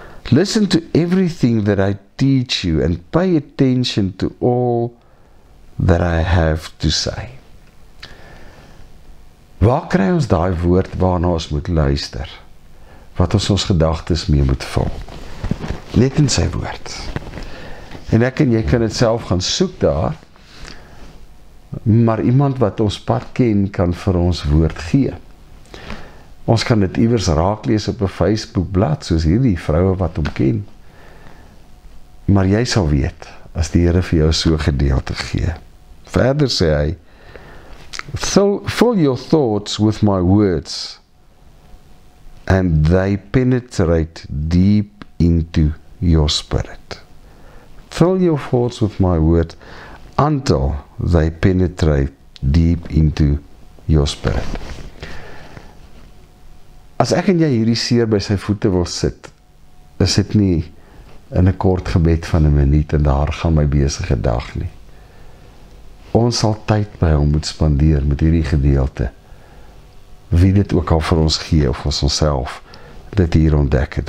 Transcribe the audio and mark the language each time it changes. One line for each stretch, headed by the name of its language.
English: Listen to everything that I teach you and pay attention to all that I have to say.
Afrikaans: Waar kry ons daai woord waarna ons moet luister? Wat ons gedagtes mee moet vul? Net in sy woord. En ek en jy kan dit self gaan soek daar, maar iemand wat ons pad ken kan vir ons woord gee. Ons kan dit iewers raak lees op 'n Facebookblad, soos hierdie vroue wat hom ken. Maar jy sal weet, as die Here vir jou so gedeelte gee. Verder sê hy,
English: fill your thoughts with my words, and they penetrate deep into your spirit. Fill your thoughts with my word, until they penetrate deep into your spirit.
Afrikaans: As ek en jy hierdie seer by sy voete wil sit, is dit nie in 'n kort gebed van 'n minuut en daar gaan my besige dag nie. Ons sal tyd by hom moet spandeer met hierdie gedeelte, wie dit ook al vir ons gee of ons onself dit hier ontdek het.